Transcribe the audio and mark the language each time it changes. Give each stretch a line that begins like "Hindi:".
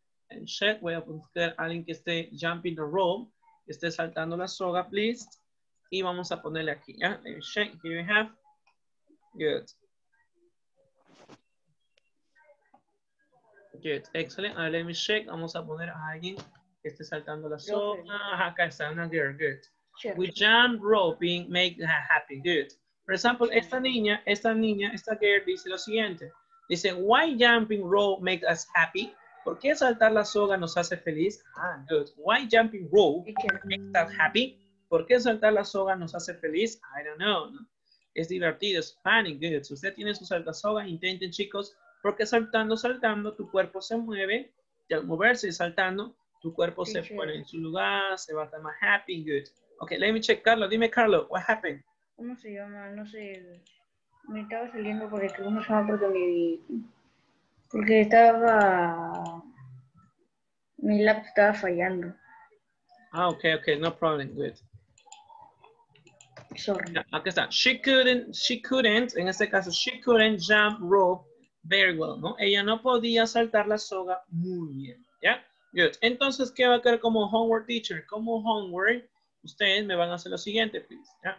Spanish: And check, voy a buscar a alguien que esté
English: jumping the rope,
Spanish: que esté saltando la soga, please. Y vamos a ponerle aquí, ¿ya? And check, here we have. Good. Good, excellent. Ahora, let me check, vamos a poner a alguien que esté saltando la soga. Okay. Ah, acá está, una girl, good. Sure.
English: We jump roping, make her happy, good. For example, sure.
Spanish: Esta girl dice lo siguiente.
English: Dice, why jumping rope make us happy?
Spanish: ¿Por qué saltar la soga nos hace feliz?
English: Ah, good. Why jumping rope makes us happy?
Spanish: ¿Por qué saltar la soga nos hace feliz?
English: I don't know.
Spanish: No. Es divertido, es funny, good. Si usted tiene su saltasoga, intenten, chicos, porque saltando, tu cuerpo se mueve. Y al moverse y saltando, tu cuerpo se pone en su lugar, se va a estar más happy, good.
English: Ok, let me check, Carlos. Dime, Carlos, what happened?
Spanish: ¿Cómo se llama? No sé. Me estaba saliendo porque es que uno se llama porque porque estaba, mi laptop estaba fallando.
English: Ah, okay, no problem, good. Sorry.
Spanish: Yeah, aquí está.
English: She couldn't,
Spanish: en este caso,
English: she couldn't jump rope very well, ¿no?
Spanish: Ella no podía saltar la soga muy bien, ¿ya? Good. Entonces, ¿qué va a quedar como homework teacher? Como homework, ustedes me van a hacer lo siguiente, please. ¿Ya?